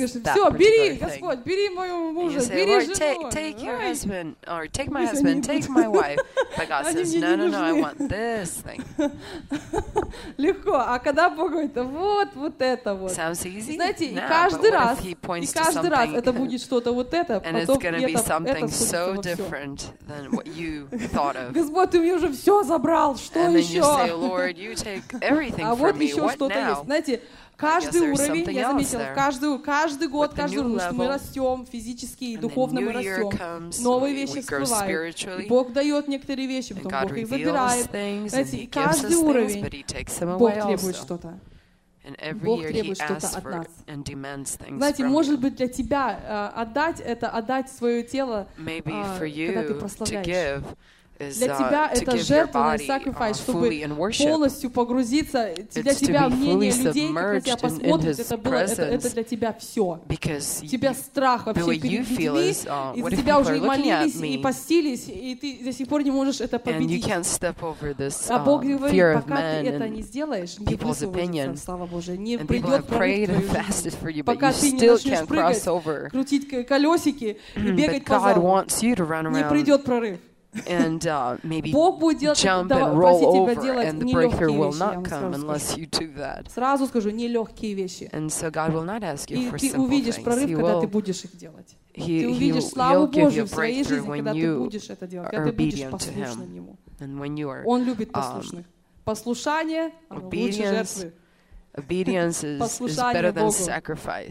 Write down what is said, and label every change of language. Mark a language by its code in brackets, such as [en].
[ru] все, бери, Господь, бери моего мужа, бери жену. [en] Take your husband, or take my husband, take my wife. But God says, no, I want this thing. [ru] Легко, а когда Бог говорит, вот это вот. [en] Sounds easy? [ru] Знаете, каждый раз это будет что-то вот это, потом это что-то. [en] And it's going to be something so different than what you thought of. [ru] Господь, ты мне уже все забрал, что еще? [en] And then you say, Lord, you take everything from me, what now? [ru] А вот еще что-то есть, знаете, каждый уровень, я заметила, каждый год, каждый уровень, потому что мы растем физически и духовно, мы растем. Новые вещи всплывают. Бог дает некоторые вещи, потом Бог их забирает. Знаете, и каждый уровень Бог требует что-то. Бог требует что-то от нас. Знаете, может быть, для тебя отдать это, отдать свое тело, когда ты прославляешь. Для тебя это жертвенный sacrifice, чтобы полностью погрузиться, для тебя мнение людей, когда тебя посмотрят, это для тебя все. У тебя страх вообще перед людьми, и за тебя уже молились, и постились, и ты до сих пор не можешь это победить. А Бог говорит, пока ты это не сделаешь, не высвободится, слава Божия, не придет пролить твою жизнь, пока ты не начнешь прыгать, крутить колесики и бегать по залу, не придет прорыв. [en] And maybe jump and roll over, and the breakthrough will not come unless you do that. [ru] Сразу скажу, не легкие вещи. [en] And so God will not ask you for simple things. [ru] И ты увидишь прорыв, когда ты будешь их делать. Ты увидишь славу Божию в своей жизни, когда ты будешь это делать, когда ты будешь послушным Ему. Он любит послушных. Послушание лучше жертвы. [en] Obedience is better than sacrifice.